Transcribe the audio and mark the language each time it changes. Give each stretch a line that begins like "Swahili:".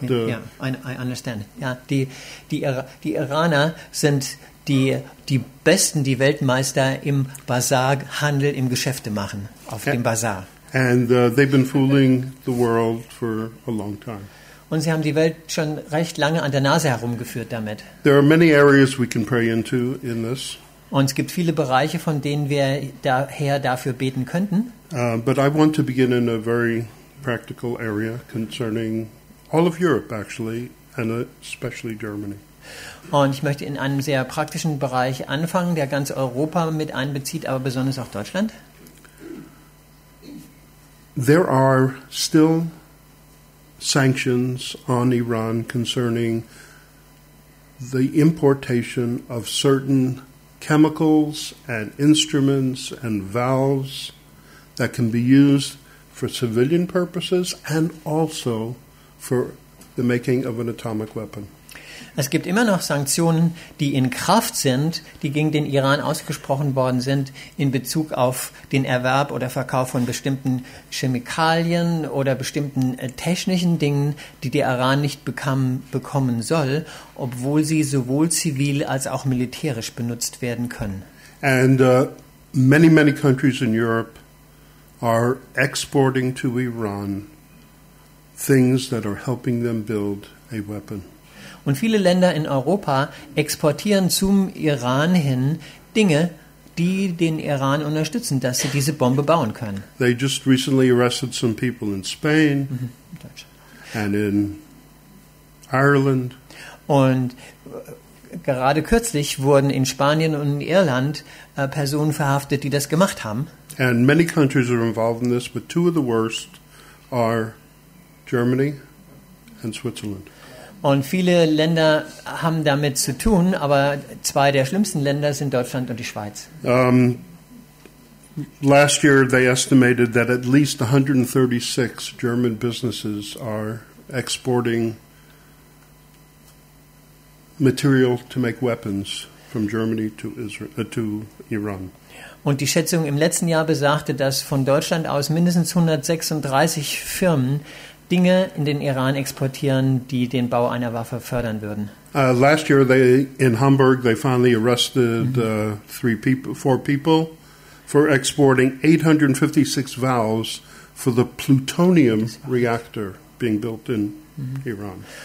English: I understand.
German: Ja, die Iraner sind die besten, die Weltmeister im Bazarhandel, im Geschäfte machen auf dem Bazar.
English: And they've been fooling the world for a long time.
German: und sie haben die Welt schon recht lange an der Nase herumgeführt damit.
English: There are many areas we can pray into in this.
German: Und es gibt viele Bereiche, von denen wir daher dafür beten könnten.
English: But I want to begin in a very practical area concerning all of Europe actually and especially Germany.
German: Und ich möchte in einem sehr praktischen Bereich anfangen, der ganz Europa mit einbezieht, aber besonders auch Deutschland.
English: There are still sanctions on Iran concerning the importation of certain chemicals and instruments and valves that can be used for civilian purposes and also for the making of an atomic weapon.
German: Es gibt immer noch Sanktionen, die in Kraft sind, die gegen den Iran ausgesprochen worden sind in Bezug auf den Erwerb oder Verkauf von bestimmten Chemikalien oder bestimmten technischen Dingen, die der Iran nicht bekommen soll, obwohl sie sowohl zivil als auch militärisch benutzt werden können.
English: And many, many countries in Europe are exporting to Iran things that are helping them build a weapon.
German: Und viele Länder in Europa exportieren zum Iran hin Dinge, die den Iran unterstützen, dass sie diese Bombe bauen können.
English: They just recently arrested some people in Spain and in Ireland.
German: Und gerade kürzlich wurden in Spanien und in Irland Personen verhaftet, die das gemacht haben.
English: And many countries are involved in this, but two of the worst are Germany and Switzerland.
German: Und viele Länder haben damit zu tun, aber zwei der schlimmsten Länder sind Deutschland und die Schweiz.
English: Last year they estimated that at least 136 German businesses are exporting material to make weapons from Germany to Israel, to Iran.
German: Und die Schätzung im letzten Jahr besagte, dass von Deutschland aus mindestens 136 Firmen Dinge in den Iran exportieren, die den Bau einer Waffe fördern würden.
English: Last year they in Hamburg they finally arrested four people for exporting 856 valves for the plutonium reactor being built in Iran.